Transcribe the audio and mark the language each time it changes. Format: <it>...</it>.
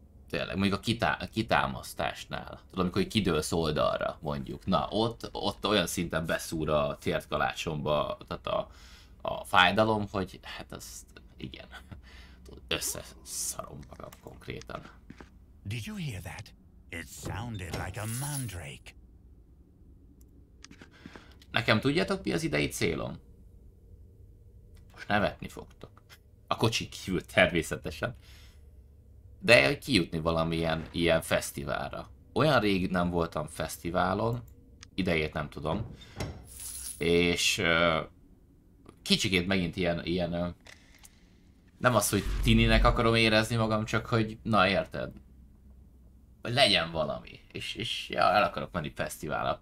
<hu>Tényleg, mondjuk a kitámasztásnál. Tudom, amikor kidőlsz oldalra, mondjuk. Na, ott olyan szinten beszúr a tért kalácsomba, tehát a fájdalom, hogy hát azt, igen, összeszarom magam konkrétan.</hu> <en>Did you hear that? It sounded like a mandrake.</en> <hu>Nekem tudjátok, mi az idei célom? Most nevetni fogtok. A kocsi kívül természetesen. De hogy kijutni valamilyen ilyen fesztiválra. Olyan rég nem voltam fesztiválon, idejét nem tudom, és kicsikét megint ilyen nem az, hogy tininek akarom érezni magam, csak hogy na érted, hogy legyen valami, és ja, el akarok menni fesztiválra.</hu>